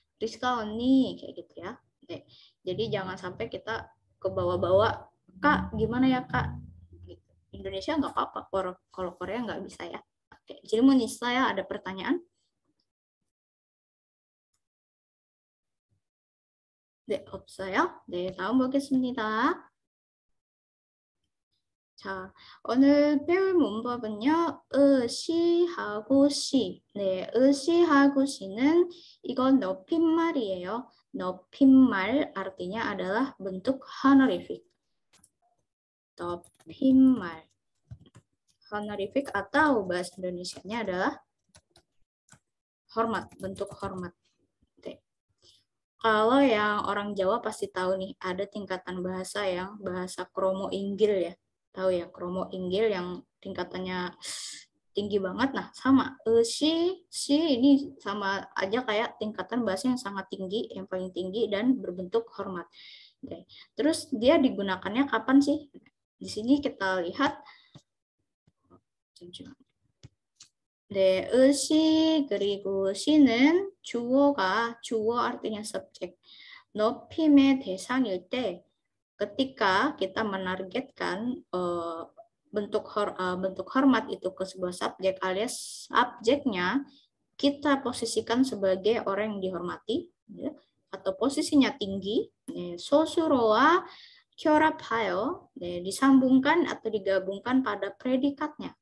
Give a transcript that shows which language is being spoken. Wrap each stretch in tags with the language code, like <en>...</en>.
<id>Rizka onni kayak gitu ya. Jadi jangan sampai kita kebawa-bawa, kak gimana ya kak? Indonesia nggak apa-apa, kalau Korea nggak bisa ya. Oke, jadi Munisa ya, ada pertanyaan? Oke, saya, dari tahun bagaimana?</id> <ko>자, 오늘 배울 문법은요, 으시하고 시. 네, 으시하고 시는 이건 높임말이에요.</ko> <id>높임말 artinya adalah bentuk honorific.</id> <ko>높임말.</ko> <id>Honorific atau bahasa Indonesianya adalah hormat, bentuk hormat. Kalau yang orang Jawa pasti tahu nih, ada tingkatan bahasa yang bahasa kromo inggil ya. Tahu ya, kromo inggil yang tingkatannya tinggi banget. Nah, sama. Si, si ini sama aja kayak tingkatan bahasa yang sangat tinggi, yang paling tinggi dan berbentuk hormat. Oke. Terus dia digunakannya kapan sih? Di sini kita lihat.</id> <ko>Si, 그리고 시는 주어가, 주어</ko> <id>artinya subject.</id> <ko>높임의 대상일 때.</ko> <id>Ketika kita menargetkan bentuk hormat itu ke sebuah subjek alias subjeknya kita posisikan sebagai orang yang dihormati ya, atau posisinya tinggi ya, sosuroa kyorapayo ya, disambungkan atau digabungkan pada predikatnya.</id>